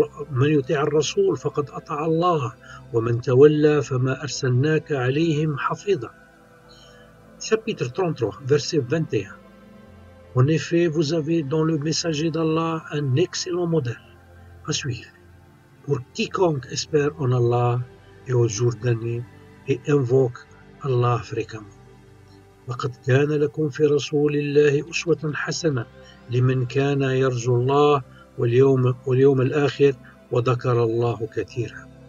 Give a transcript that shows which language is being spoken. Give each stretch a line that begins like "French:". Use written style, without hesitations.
Arabic: من يطع الرسول فقد أطاع الله ومن تولى فما أرسلناك عليهم حفيظا.
French: Chapitre 33, verset 21. En effet, vous avez dans le messager d'Allah un excellent modèle à suivre. Pour quiconque espère en Allah et au jour dernier et invoque Allah fréquemment.
Arabic: لقد كان لكم في رسول الله أسوة حسنة لمن كان يرجو الله واليوم الآخر وذكر الله كثيرا.